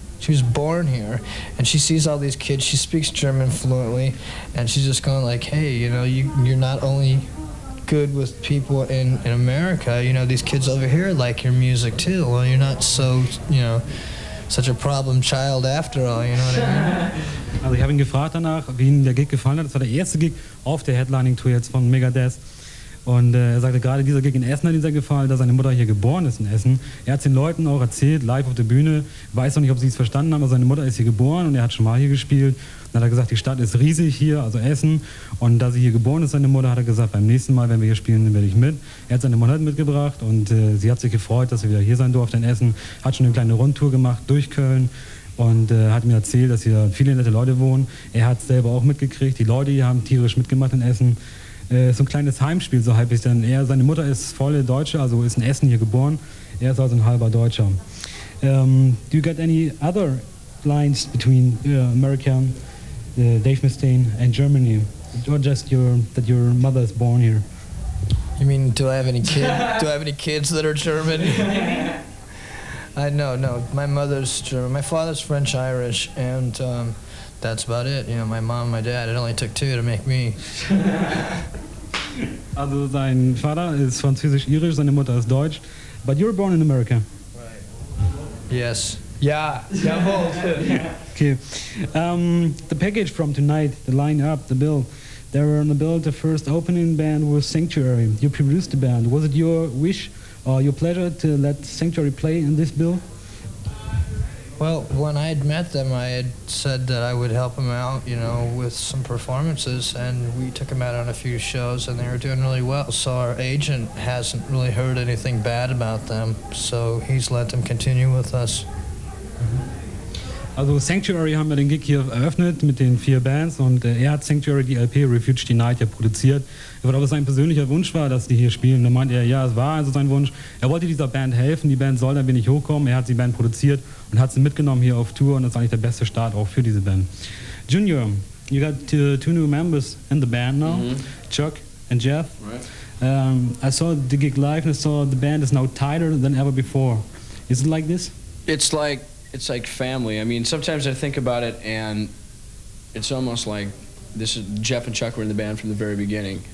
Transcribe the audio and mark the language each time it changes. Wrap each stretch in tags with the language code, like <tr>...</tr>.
<en>She was born here, and she sees all these kids. She speaks German fluently, and she's just going like, hey, you know, you're not only good with people in America, you know, these kids over here like your music too. Well, you're not so, you know, such a problem child after all, you know what I mean?</en> <de>Also, ich habe ihn gefragt danach, wie ihm der Gig gefallen hat. Das war der erste Gig auf der Headlining-Tour jetzt von Megadeth. Und er sagte, gerade dieser Gig in Essen hat ihm sehr gefallen, da seine Mutter hier geboren ist in Essen. Er hat es den Leuten auch erzählt, live auf der Bühne. Weiß noch nicht, ob sie es verstanden haben, aber seine Mutter ist hier geboren und er hat schon mal hier gespielt. Dann hat er gesagt, die Stadt ist riesig hier, also Essen. Und da sie hier geboren ist, seine Mutter, hat er gesagt, beim nächsten Mal, wenn wir hier spielen, werde ich mit. Er hat seine Mutter mitgebracht und sie hat sich gefreut, dass sie wieder hier sein durfte in Essen. Hat schon eine kleine Rundtour gemacht durch Köln. Und hat mir erzählt, dass hier viele nette Leute wohnen. Er hat es selber auch mitgekriegt. Die Leute hier haben tierisch mitgemacht in Essen. So ein kleines Heimspiel, so halb ich dann. Seine Mutter ist volle Deutsche, also ist in Essen hier geboren. Er ist also ein halber Deutscher.</de> <en>Do you get any other lines between America, Dave Mustaine and Germany? Or just that your mother is born here? You mean, do I have any kids? Do I have any kids that are German? No. My mother's German. My father's French-Irish, and that's about it. You know, my mom, my dad, it only took two to make me.</en> <de>Also, sein Vater ist französisch-irisch, seine Mutter ist deutsch.</de> <en>But you were born in America. Right. Yes. Yeah. Jawohl. Okay. The package from tonight, the lineup, the bill. There were on the bill, the first opening band was Sanctuary. You produced the band. Was it your wish? Your pleasure to let Sanctuary play in this bill? Well, when I had met them, I had said that I would help them out, you know, with some performances, and we took them out on a few shows, and they were doing really well. So our agent hasn't really heard anything bad about them, so he's let them continue with us.</en> <de>Also Sanctuary haben wir den Gig hier eröffnet mit den vier Bands und er hat Sanctuary, die LP Refuge Denied, ja produziert. Ich weiß, ob es sein persönlicher Wunsch war, dass die hier spielen. Da meint er, ja, es war also sein Wunsch. Er wollte dieser Band helfen, die Band soll da wenig hochkommen. Er hat die Band produziert und hat sie mitgenommen hier auf Tour und das ist eigentlich der beste Start auch für diese Band.</de> <en>Junior, you got two new members in the band now, Chuck and Jeff. Right. I saw the gig live and I saw the band is now tighter than ever before. Is it like this? It's like family. I mean, sometimes I think about it and it's almost like this is Jeff and Chuck were in the band from the very beginning.</en>